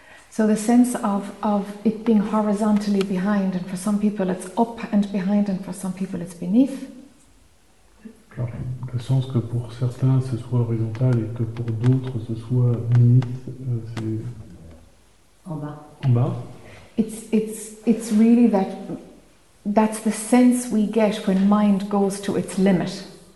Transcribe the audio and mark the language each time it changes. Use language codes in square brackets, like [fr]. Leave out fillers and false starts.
[en] So the sense of it being horizontally behind, and for some people it's up and behind, and for some people it's beneath. [fr] le sens que pour certains ce soit horizontal et que pour d'autres ce soit minute, c'est en bas. En bas. [en] It's really that that's the sense we get when mind goes to its limit.